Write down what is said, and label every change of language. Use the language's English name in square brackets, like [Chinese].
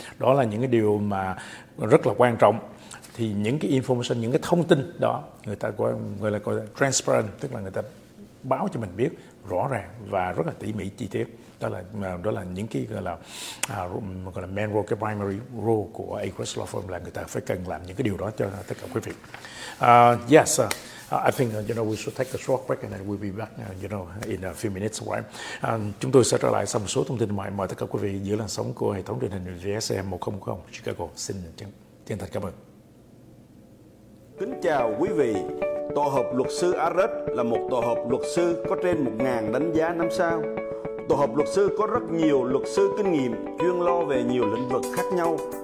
[Vietnamese] Đó là những cái điều mà rất là quan trọng. Thì những cái information, những cái thông tin đó người ta gọi là transparent, tức là người ta báo cho mình biết rõ ràng và rất là tỉ mỉ chi tiết. Đó là những cái gọi là [English] main role, [Vietnamese] cái [English] primary role [Vietnamese] của Agruss Law Firm, là người ta phải cần làm những cái điều đó cho tất cả quý vị. [English] Yes, I think you know we should take a short break and then we'll be back you know in a few minutes, right? [Vietnamese] Chúng tôi sẽ trở lại sau một số thông tin mà mời tất cả quý vị giữ làn sóng của hệ thống truyền hình VSM 1040 Chicago. Xin chân thành cảm ơn. Kính chào quý vị. Tổ hợp luật sư Agruss là một tổ hợp luật sư có trên 1,000 đánh giá 5 sao. Tổ hợp luật sư có rất nhiều luật sư kinh nghiệm chuyên lo về nhiều lĩnh vực khác nhau.